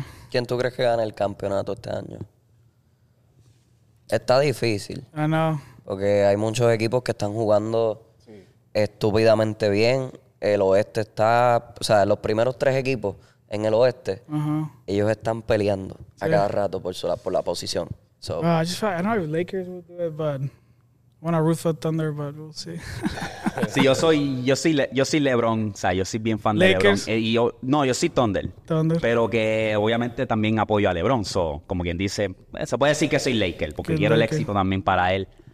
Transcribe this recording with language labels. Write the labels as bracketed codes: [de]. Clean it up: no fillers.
[es] ¿Quién tú crees que gana el campeonato este año? Está difícil. Porque hay muchos equipos que están jugando estúpidamente bien. El oeste está... O sea, los primeros tres equipos en el oeste, ellos están peleando a cada rato por la posición. [en] So, I know the Lakers will do it, but... Want to root for Thunder, but we'll see. [es] Sí, yo soy LeBron, o sea, yo soy bien fan de LeBron. Y yo soy Thunder. Pero que obviamente también apoyo a LeBron. So, como quien dice, se puede decir que soy Lakers, porque quiero el éxito también para él.